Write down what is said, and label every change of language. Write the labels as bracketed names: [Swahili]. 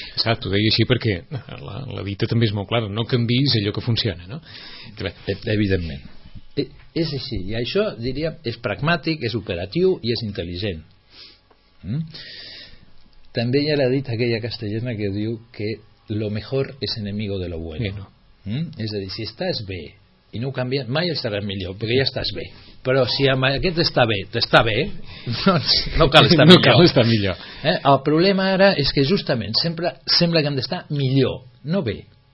[Catalan] saps, ho deia així perquè la dita també és molt clara, no canviïs allò que funciona, no? Evidentment és així, i això, diríem, és pragmàtic, és operatiu i és intel·ligent. També hi ha la dita aquella castellana que diu que [Spanish] lo mejor es enemigo de lo bueno. [Catalan] Bueno. És a dir, si estàs bé i no canvies, mai estaràs millor, perquè ja estàs bé. Però si aquest està bé, t'està bé, doncs no cal estar no millor. Cal estar millor. El problema ara és que justament sempre sembla que hem d'estar millor, no bé.